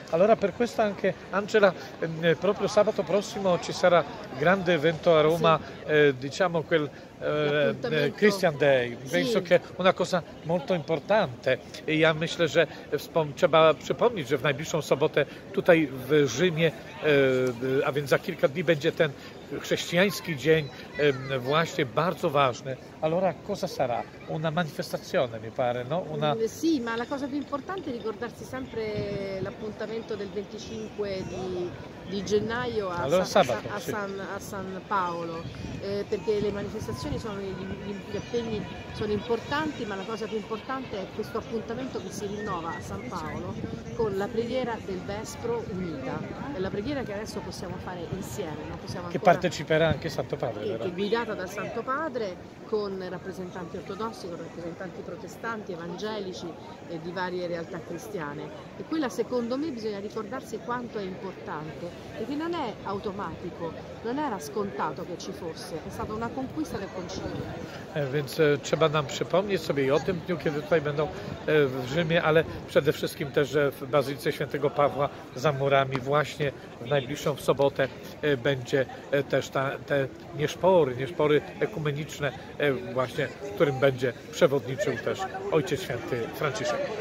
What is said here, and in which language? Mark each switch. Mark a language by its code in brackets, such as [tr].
[it] Allora per questo anche Angela, proprio sabato prossimo ci sarà grande evento a Roma, sì. Diciamo quel Christian Day, penso che una cosa molto importante. [pl] Ja myślę, że trzeba przypomnieć, że w najbliższą sobotę tutaj w Rzymie, a więc za kilka dni będzie ten chrześcijański dzień właśnie bardzo ważny. [it] Allora cosa sarà? Una manifestazione, mi pare, no? Una... Sì, ma la cosa più importante è ricordarsi sempre l'appuntamento del 25 di gennaio a San Paolo, perché le manifestazioni sono gli appegni sono importanti, ma la cosa più importante è questo appuntamento che si rinnova a San Paolo con la preghiera del Vespro unita. È la preghiera che adesso possiamo fare insieme, no? Possiamo ancora... Che parteciperà anche Santo Padre, che è guidata dal Santo Padre, con rappresentanti ortodossi, con rappresentanti protestanti, evangelici e di varie realtà cristiane. E quella, secondo me, bisogna ricordarsi quanto è importante, perché non è automatico, non era scontato che ci fosse, è stata una conquista del [pl] koncilium. Więc trzeba nam przypomnieć sobie i o tym dniu, kiedy tutaj będą w Rzymie, ale przede wszystkim też w Bazylice Świętego Pawła za murami właśnie w najbliższą sobotę będzie też te nieszpory ekumeniczne właśnie, w którym będzie przewodniczył też Ojciec Święty Franciszek.